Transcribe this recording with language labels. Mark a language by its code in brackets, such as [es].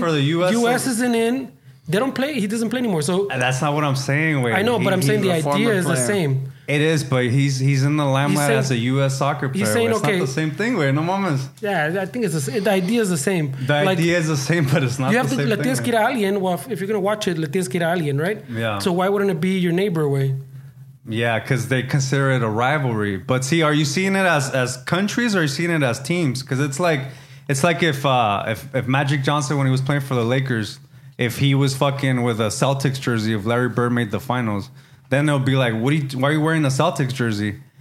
[en] for the U.S. U.S. So. Isn't in. They don't play. He doesn't play anymore, so... And that's not what I'm saying, wait. I know, but I'm saying the idea is the same. It is, but he's in the limelight as a U.S. soccer player. He's saying, it's okay, not the same thing, güey. [es] No mames. [en] Yeah, I think the idea is the same. The idea is the same, but it's not the same thing. [es] Le tienes que ir a alguien. [en] Well, if you're going to watch it, [es] le tienes que ir a alguien, [en] right? Yeah. So why wouldn't it be your neighbor, güey? Yeah, because they consider it a rivalry. But see, are you seeing it as countries or are you seeing it as teams? Because it's like if Magic Johnson, when he was playing for the Lakers, if he was fucking with a Celtics jersey, if Larry Bird made the finals, then they'll be like, why are you wearing the Celtics jersey?